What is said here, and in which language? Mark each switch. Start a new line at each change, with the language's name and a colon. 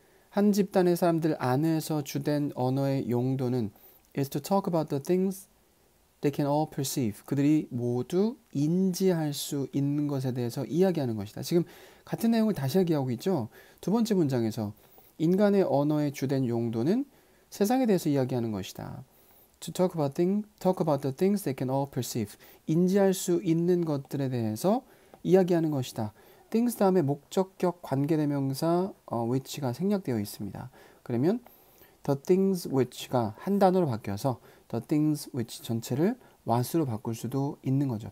Korean: 한 집단의 사람들 안에서 주된 언어의 용도는
English: is to talk about the things they can all perceive.
Korean: 그들이 모두 인지할 수 있는 것에 대해서 이야기하는 것이다. 지금 같은 내용을 다시 이야기하고 있죠. 두 번째 문장에서 인간의 언어의 주된 용도는 세상에 대해서 이야기하는 것이다.
English: talk about the things they can all perceive.
Korean: 인지할 수 있는 것들에 대해서 이야기하는 것이다. things 다음에 목적격 관계대명사 which가 생략되어 있습니다. 그러면 the things which가 한 단어로 바뀌어서 the things which 전체를 what으로 바꿀 수도 있는 거죠.